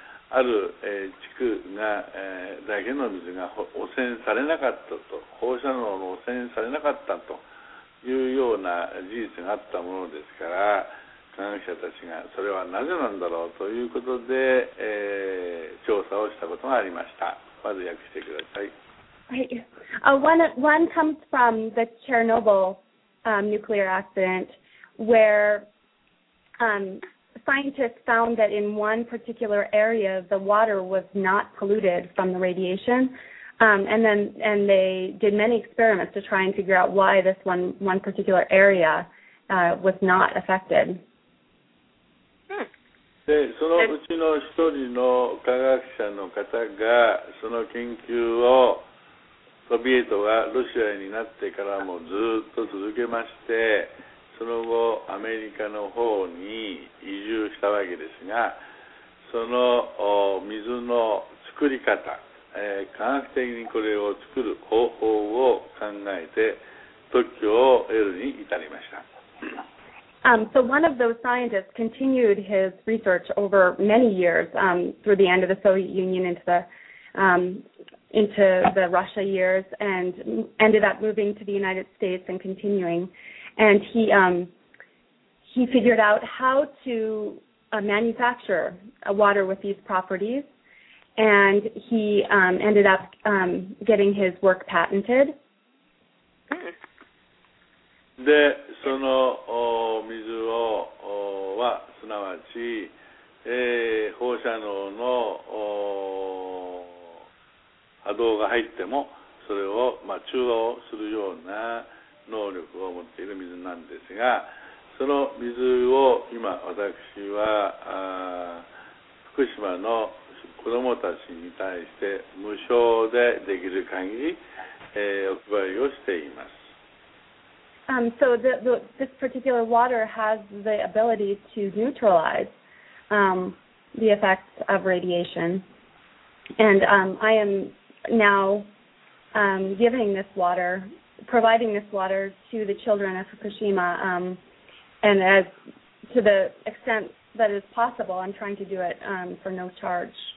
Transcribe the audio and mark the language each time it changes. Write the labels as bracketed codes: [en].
[ja] ある、地区が、大変の水が汚染されなかったと、放射能の汚染されなかったというような事実があったものですから、科学者たちがそれはなぜなんだろうということで、調査をしたことがありました。まず訳してください。 [en] One comes from the Chernobyl nuclear accident where scientists found that in one particular area the water was not polluted from the radiation, and they did many experiments to try and figure out why this one particular area was not affected. [ja] で、そのうちの一人の科学者の方がその研究をソビエトがロシアになってからもずっと続けまして、その後アメリカの方に移住したわけですが、その水の作り方、科学的にこれを作る方法を考えて特許を得るに至りました。 [en] So one of those scientists continued his research over many years, through the end of the Soviet Union into the Russia years, and ended up moving to the United States and continuing. And he figured out how to manufacture water with these properties, and he ended up getting his work patented. [ja] で、その水をはすなわち、放射能の波動が入ってもそれを、まあ、中和をするような能力を持っている水なんですが、その水を今私は福島の子どもたちに対して無償でできる限り、お配りをしています。 [en] So this particular water has the ability to neutralize the effects of radiation, and I am now giving this water, providing this water to the children of Fukushima, and as to the extent that is possible, I'm trying to do it for no charge.